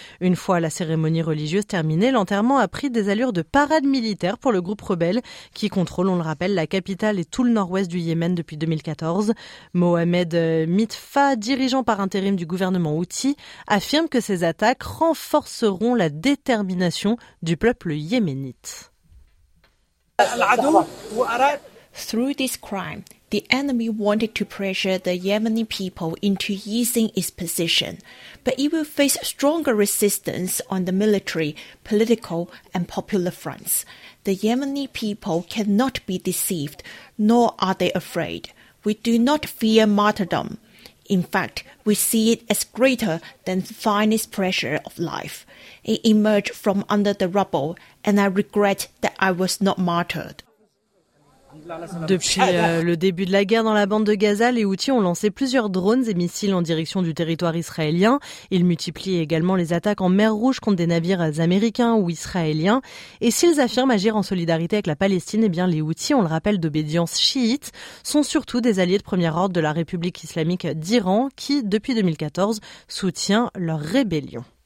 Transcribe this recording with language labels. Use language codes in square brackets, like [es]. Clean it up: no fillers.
[fr] Une fois la cérémonie religieuse terminée, l'enterrement a pris des allures de parade militaire pour le groupe rebelle qui contrôle, on le rappelle, la capitale et tout le nord-ouest du Yémen depuis 2014. Mohamed Mitfa, dirigeant par intérim du gouvernement Houthi, affirme que ces attaques renforceront la détermination du peuple yéménite. [en] Through this crime, the enemy wanted to pressure the Yemeni people into easing its position, but it will face stronger resistance on the military, political and popular fronts. The Yemeni people cannot be deceived, nor are they afraid. We do not fear martyrdom. In fact, we see it as greater than the finest pressure of life. It emerged from under the rubble, and I regret that I was not martyred. [fr] Depuis le début de la guerre dans la bande de Gaza, les Houthis ont lancé plusieurs drones et missiles en direction du territoire israélien. Ils multiplient également les attaques en mer Rouge contre des navires américains ou israéliens. Et s'ils affirment agir en solidarité avec la Palestine, eh bien les Houthis, on le rappelle, d'obédience chiite, sont surtout des alliés de premier ordre de la République islamique d'Iran qui, depuis 2014, soutient leur rébellion.